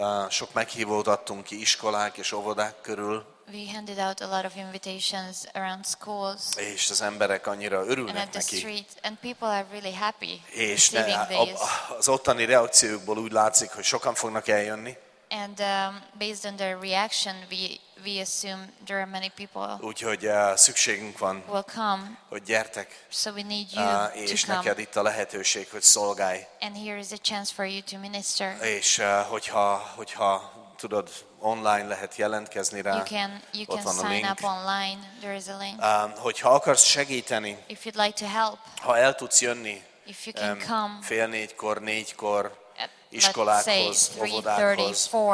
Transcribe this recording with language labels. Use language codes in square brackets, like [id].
[hu] Sok meghívót adtunk ki iskolák és óvodák körül. [en] We handed out a lot of invitations around schools. [hu] És az emberek annyira örülnek [en] and at the [hu] neki. [en] Street, and people are really happy. [hu] És az ottani reakciókból úgy látszik, hogy sokan fognak eljönni. [en] And based on their reaction, we assume there are many people. [hu] Úgyhogy szükségünk van. [en] Will come. [hu] Hogy gyertek. [en] So we need you [hu] és neked itt a lehetőség, hogy szolgálj. [en] And here is a chance for you to minister. [hu] És hogyha tudod, online lehet jelentkezni rá. [en] You can sign link. Up online. There is a link. [hu] Hogyha akarsz segíteni. [en] If you'd like to help. [hu] Ha el tudsz jönni. [en] If you can come. [hu] Fél négykor, négykor. Iskolákhoz, óvodákhoz.